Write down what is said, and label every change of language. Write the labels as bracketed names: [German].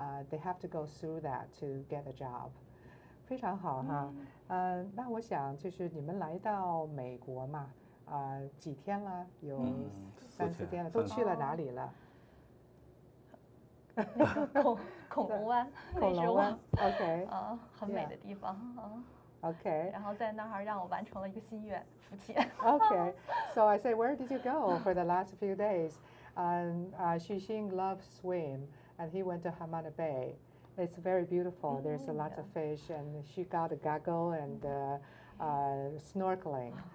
[English] They have to go through that to get a job. [Chinese] 非常好哈。那我想就是你们来到美国嘛，几天了？有三四天了，都去了哪里了？恐龙湾，恐龙湾 ，OK，很美的地方。 OK，然后在那儿让我完成了一个心愿，福气。 [English] OK， so I say, where did you go for the last few days? Xu Xing loves swim, and he went to Hamada Bay. It's very beautiful. There's lots of fish, and she got a goggle and snorkeling.